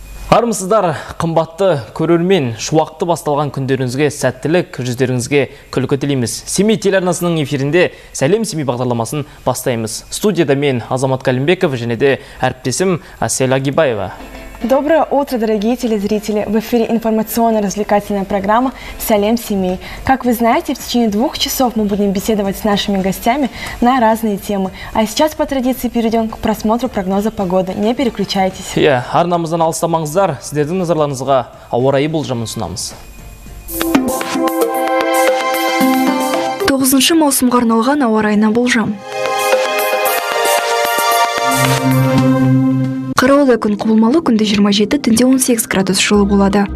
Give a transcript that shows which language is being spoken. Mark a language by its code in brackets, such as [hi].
[kk] армысыздар, қымбатты көрермен, шуақты басталған күндеріңізге сәттілік, жүздеріңізге күлкі тілейміз. Семей телеарнасының эфирінде «Сәлем Семей» бағдарламасын бастаймыз. Студияда мен Азамат Калимбеков, және де әріптесім Асель Агибаева. [ru] Доброе утро, дорогие телезрители! В эфире информационно-развлекательная программа «Сәлем Семей». Как вы знаете, в течение 2 часов мы будем беседовать с нашими гостями на разные темы. А сейчас по традиции перейдем к просмотру прогноза погоды. Не переключайтесь. [kk] Арнамыздан алыстамаңыздар, сіздердің назарларыңызға ауа райы болжамын ұсынамыз. 9-шы маусымға арналған ауа райына болжам. Қараулы күн құбылмалы, күнде 27, түнде 18 градус жылы болады.